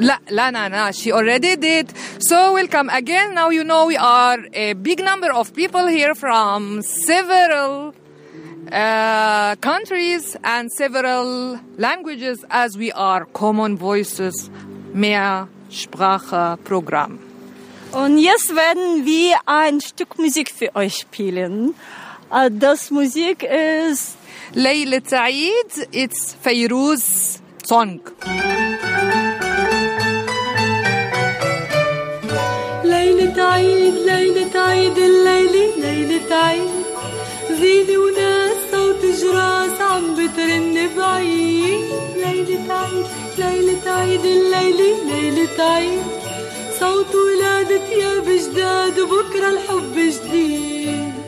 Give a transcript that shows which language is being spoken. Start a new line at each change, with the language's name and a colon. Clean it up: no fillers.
English: Lana, she already did. So welcome again. Now you know we are a big number of people here from several countries and several languages as we are Common Voices Mehrsprache Programm.
German: Und jetzt werden wir ein Stück Musik für euch spielen. Das Musik ist
English: Leila Taid, it's Feiruz Song.
Arabic: ليلة عيد الليلة ليلة عيد زينة وناس صوت جراس عم بترن بعيد ليلة عيد الليلة ليلة عيد صوت ولادة يا بجداد وبكرة الحب جديد